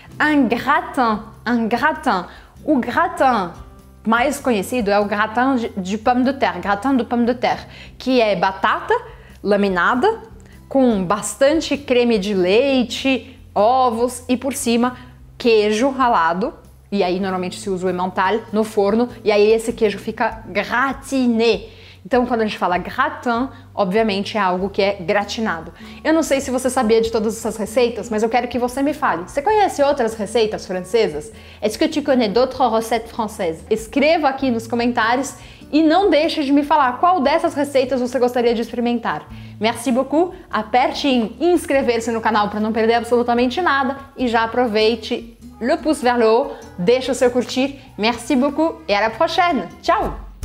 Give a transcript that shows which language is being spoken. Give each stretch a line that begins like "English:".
Portuguese: Un gratin, un gratin. O gratin mais conhecido é o gratin de pomme de terre, gratin de pomme de terre, que é batata laminada com bastante creme de leite, ovos e por cima queijo ralado. E aí normalmente se usa o emmental no forno e aí esse queijo fica gratiné. Então, quando a gente fala gratin, obviamente é algo que é gratinado. Eu não sei se você sabia de todas essas receitas, mas eu quero que você me fale. Você conhece outras receitas francesas?
French: Est-ce que tu connais d'autres recettes françaises?
Portuguese: Escreva aqui nos comentários e não deixe de me falar qual dessas receitas você gostaria de experimentar.
French: Merci beaucoup,
Portuguese: aperte em inscrever-se no canal para não perder absolutamente nada e já aproveite
French: le pouce vers le haut,
Portuguese: deixa o seu curtir.
French: Merci beaucoup et à la prochaine.
Portuguese: Tchau!